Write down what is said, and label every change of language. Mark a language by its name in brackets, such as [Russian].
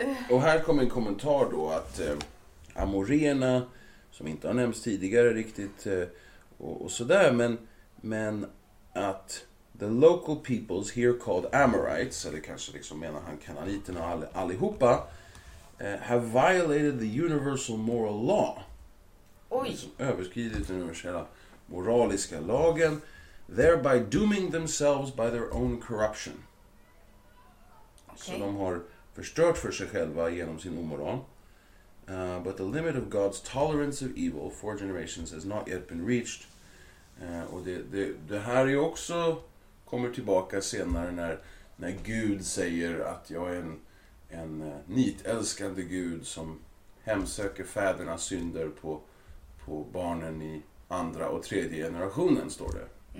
[Swedish] Och här kommer en kommentar då att amoréerna, som inte har nämnts tidigare riktigt och sådär, men att [English] the local peoples here called Amorites, [Swedish] eller kanske liksom menar han kananiterna allihopa, [English] have violated the universal moral law. [Swedish] Oj! Liksom överskridit den universella moraliska lagen. [English] Thereby dooming themselves by their own corruption. [Swedish] Okay. Så de har förstört för sig själva genom sin omoral. [English] But the limit of God's tolerance of evil for generations has not yet been reached. [Swedish] Och det här är också kommer tillbaka senare när Gud säger att jag är en nitälskande Gud som hemsöker fädernas synder på barnen i andra och tredje generationen, står det.